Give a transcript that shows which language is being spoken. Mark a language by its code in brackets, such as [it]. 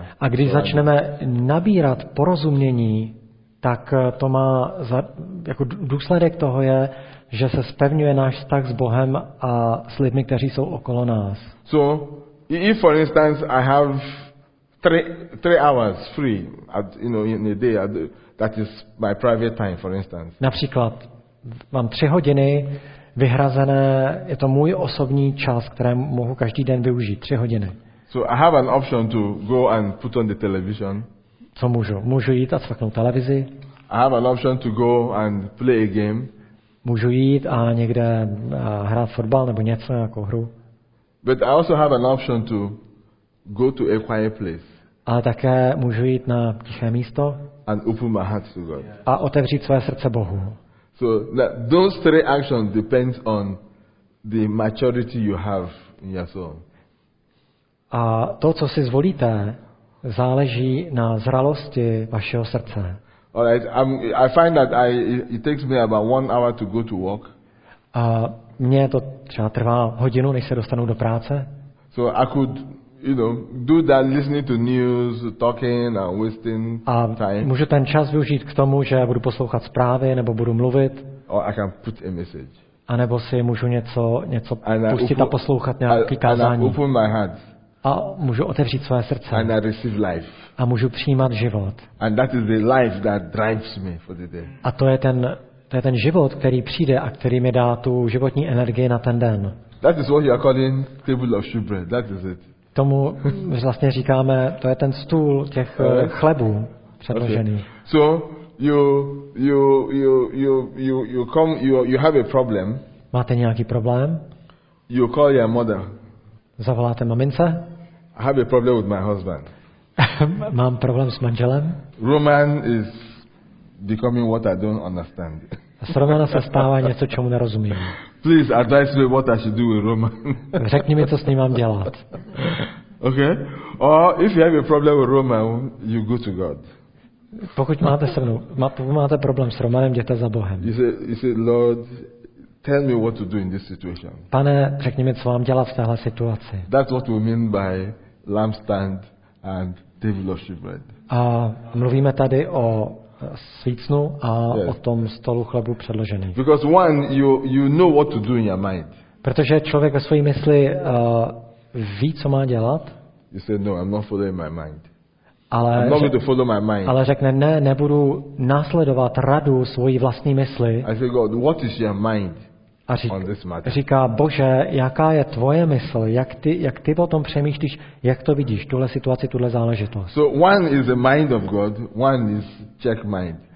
[cs] A když začneme nabírat porozumění, tak to má jako důsledek toho je, že se zpevňuje náš vztah s Bohem a s lidmi, kteří jsou okolo nás. [en] So, if for instance I have three hours free at, you know, in a day, that is my private time, for instance. [cs] Například mám 3 hodiny vyhrazené, je to můj osobní čas, které mohu každý den využít, 3 hodiny. [en] So I have an option to go and put on the television. [cs] Co můžu? Můžu jít a cvaknout televizi. [en] I have an option to go and play a game. [cs] Můžu jít a někde hrát fotbal nebo něco, jako hru. [en] But I also have an option to go to a quiet place. [cs] Ale také můžu jít na tiché místo. [en] And open my heart to God. [cs] A otevřít své srdce Bohu. [en] So those three actions depend on the maturity you have in your soul. [cs] A to, co si zvolíte, záleží na zralosti vašeho srdce. [en] All right, I find that it takes me about 1 hour to go to work. [cs] A mně to třeba trvá hodinu, než se dostanu do práce. [en] So I could you know, do that listening to news, talking and wasting time. [cs] Můžu ten čas využít k tomu, že budu poslouchat zprávy nebo budu mluvit. [en] Or I can put a message. [cs] A nebo si můžu něco pustit a poslouchat nějaký kázání. [en] Open my heart. [cs] A můžu otevřít své srdce. [en] And I receive life. [cs] A můžu přijímat život. [en] And that is the life that drives me for the day. [cs] A to je ten život, který přijde a který mi dá tu životní energii na ten den. [en] That is what you are calling table of shewbread. That is it. [cs] Tomu vlastně říkáme, to je ten stůl těch chlebů předložený. [en] Okay. So you have a problem. [cs] Máte nějaký problém? [en] You call your mother. [cs] Zavoláte mamince? [en] I have a problem with my husband. [cs] Mám problém s manželem? [en] Roman is becoming what I don't understand. [cs] S Romana se stává něco, čemu nerozumím. [en] Please advise me what I should do with Roman. [cs] Řekni mi, co s ním mám dělat. [en] Okay? Or if you have a problem with Roman, you go to God. [cs] Pokud máte se mnou, máte problém s Romanem, jděte za Bohem. [en] You say, Lord, tell me what to do in this situation. [cs] Pane, řekni mi, co mám dělat v téhle situaci. [en] That's what we mean by lampstand and table of shewbread. [cs] A mluvíme tady o svícnu a [en] yes. [cs] O tom stolu chlebu předložený. [en] Because one, you know what to do in your mind. [cs] Protože člověk ve své mysli ví, co má dělat. [en] You say no, I'm not following my mind. [cs] Ale [en] I'm not going to follow my mind. [cs] Ale řekne ne, nebudu následovat radu svojí vlastní mysli. [en] I say God, what is your mind on this matter? [cs] Říká Bože, jaká je tvoje mysl, jak ty o tom přemýšlíš, jak to vidíš, tuhle situaci, tuhle záležitost. [en] So one is the mind of God, one is Czech mind.